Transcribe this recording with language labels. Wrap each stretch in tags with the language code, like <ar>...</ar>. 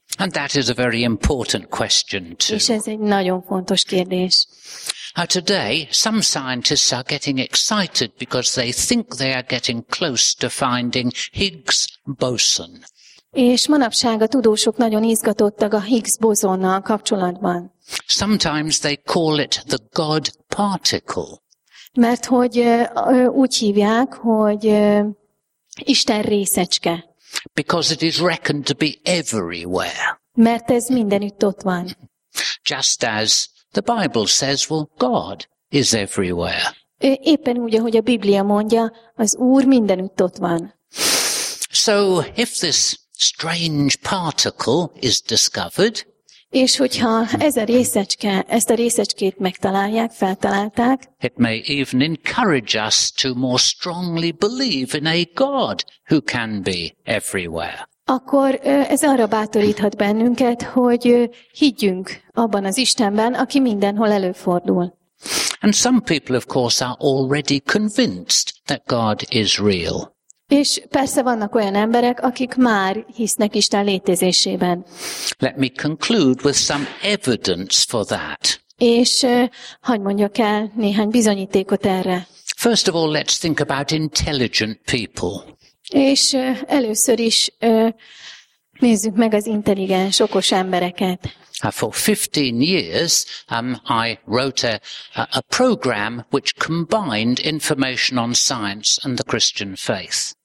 <en>And that is a very important question too.</en> <hu>És ez egy nagyon fontos kérdés.</hu> <en>Now today, some scientists are getting excited because they think they are getting close to finding Higgs boson.</en> <hu>És manapság a tudósok nagyon izgatottak a Higgs bozonnal kapcsolatban.</hu> <en>Sometimes they call it the God particle.</en> <hu>Mert hogy úgy hívják, hogy Isten részecske.</hu> <en>Because it is reckoned to be everywhere.</en> <hu>Mert ez mindenütt ott van.</hu> <en>Just as the Bible says, well, God is everywhere.</en> <hu>Éppen úgy, ahogy a Biblia mondja, az Úr mindenütt ott van.</hu> <en>So if this strange particle is discovered.</en> <hu>És hogyha ezt a részecskét megtalálják, feltalálták,</hu> <en>it may even encourage us to more strongly believe in a God who can be everywhere.</en> <hu>Akkor ez arra bátoríthat bennünket, hogy higgyünk abban az Istenben, aki mindenhol előfordul.</hu> <en>And some people of course are already convinced that God is real.</en> <hu>És persze vannak olyan emberek, akik már hisznek Isten létezésében.</hu> <en>Let me conclude with some evidence for that.</en> <hu>És hogy mondjak el néhány bizonyítékot erre.</hu> <en>First of all, let's think about intelligent people.</en> <hu>És először is nézzük meg az intelligens, okos embereket.</hu> <en>For 15 years, I wrote a program which combined information on science and the Christian faith.</en>